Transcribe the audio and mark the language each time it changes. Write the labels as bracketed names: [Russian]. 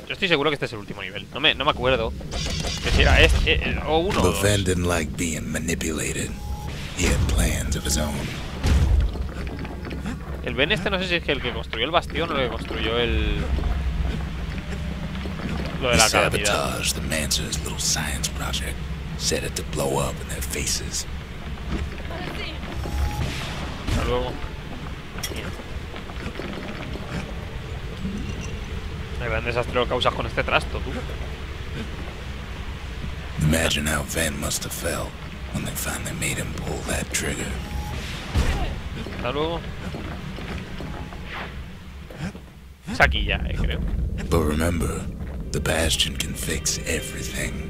[Spanish] Yo estoy seguro que este es el último nivel. No me acuerdo que si era este o uno. [English] But Van didn't like being manipulated. He had plans of his own. [Spanish] El Ben este no sé si es el que construyó el bastión o el que construyó el... lo de la calamidad. [English] The Mancers' little science project set it to blow up in their faces. [Spanish] Hasta luego. El gran desastre lo causas con este trasto, tú. [English] Imagine how Ben must have felt when they finally made him pull that trigger. [Spanish] Hasta luego. Es aquí ya, creo. [English] But remember, the bastion can fix everything.